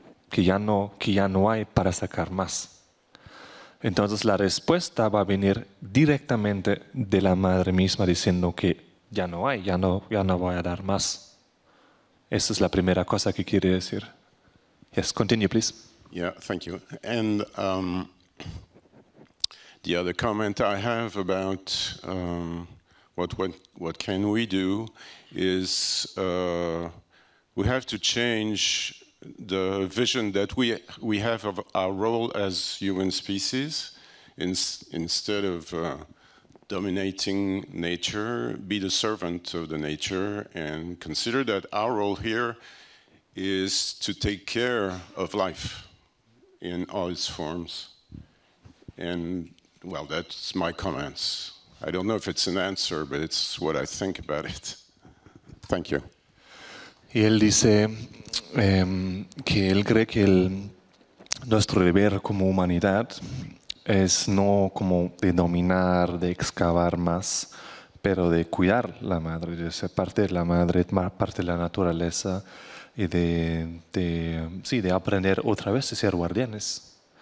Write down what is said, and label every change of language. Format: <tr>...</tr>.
<es>Que ya no hay para sacar más. Entonces la respuesta va a venir directamente de la madre misma diciendo que ya no hay, ya no voy a dar más. Esa es la primera cosa que quiere decir.</es> <en>Yes, continue, please. Yeah, thank you. And the other comment I have about what can we do is we have to change the vision that we have of our role as human species. Instead of dominating nature, be the servant of the nature and consider that our role here is to take care of life in all its forms. And, well, that's my comments. I don't know if it's an answer, but it's what I think about it. Thank you.</en> <es>Y él dice que él cree que nuestro deber como humanidad es no como de dominar, de excavar más, pero de cuidar la madre, de ser parte de la madre, parte de la naturaleza, y de aprender otra vez a ser guardianes.</es>